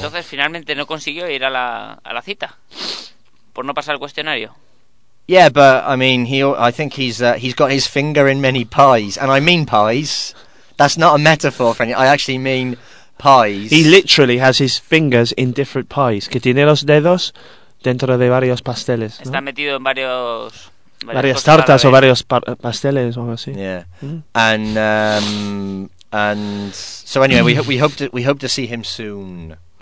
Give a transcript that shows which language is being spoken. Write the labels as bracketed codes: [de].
[es] Entonces, finalmente no consiguió ir a la cita. Por no pasar el cuestionario. [en] Yeah, but, I mean, I think he's got his finger in many pies. And I mean pies. That's not a metaphor, friend. I actually mean pies. He literally has his fingers in different pies. [es] Que tiene los dedos dentro de varios pasteles. Está metido en varios... Varias tartas o varios pasteles o algo así. [en] Yeah. And so anyway, we hope to see him soon.